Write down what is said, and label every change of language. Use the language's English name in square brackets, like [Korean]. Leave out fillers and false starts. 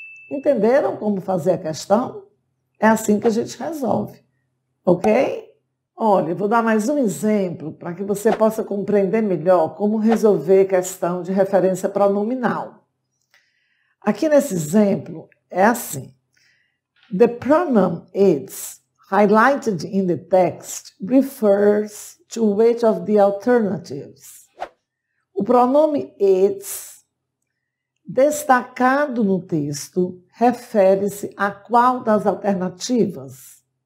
[Portuguese] Entenderam como fazer a questão? É assim que a gente resolve, ok? Olha, vou dar mais um exemplo para que você possa compreender melhor como resolver questão de referência pronominal. Aqui nesse exemplo, é assim. [English] The pronoun it's, highlighted in the text, refers to which of the alternatives. [Portuguese] O pronome it's, destacado no texto, refere-se a qual das alternativas?